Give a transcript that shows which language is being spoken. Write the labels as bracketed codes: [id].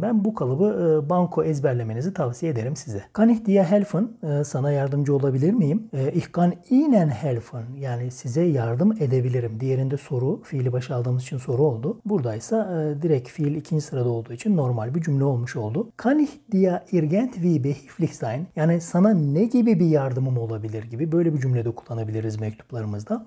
[tr] Ben bu kalıbı banko ezberlemenizi tavsiye ederim size. [de] Kann ich dir helfen? [tr] Sana yardımcı olabilir miyim? [de] Ich kann Ihnen helfen. [tr] Yani size yardım edebilirim. Diğerinde soru, fiili başa aldığımız için soru oldu. Buradaysa direkt fiil ikinci sırada olduğu için normal bir cümle olmuş oldu. [de] Kann ich dir irgendwie behilflich sein? [tr] Yani sana ne gibi bir yardımım olabilir gibi böyle bir cümlede kullanabiliriz mektuplarımızda.